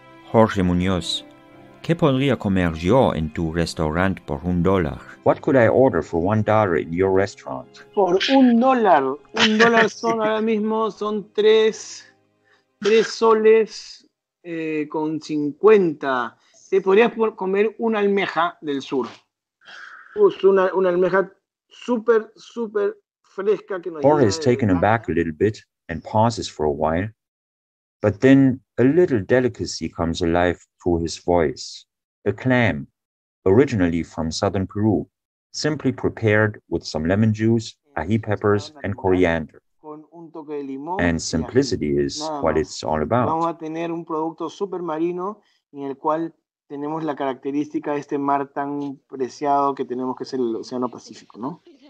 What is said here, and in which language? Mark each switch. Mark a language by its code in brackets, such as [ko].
[es] Jorge Muñoz, ¿qué podría comer yo en tu restaurante por un dólar? [en] What could I order for $1 in your restaurant? [es] Por $1. $1 son ahora mismo, son tres soles con 50. Te podrías comer una almeja del sur. Una almeja súper, súper fresca. [en] Jorge is taken aback a little bit and pauses for a while. But then a little delicacy comes alive through his voice. A clam, originally from southern Peru, simply prepared with some lemon juice, ají peppers, and coriander. And simplicity is what it's all about. [es] Vamos a tener un producto super marino en el cual tenemos la característica de este mar tan preciado que tenemos, que es el Océano Pacífico, ¿no?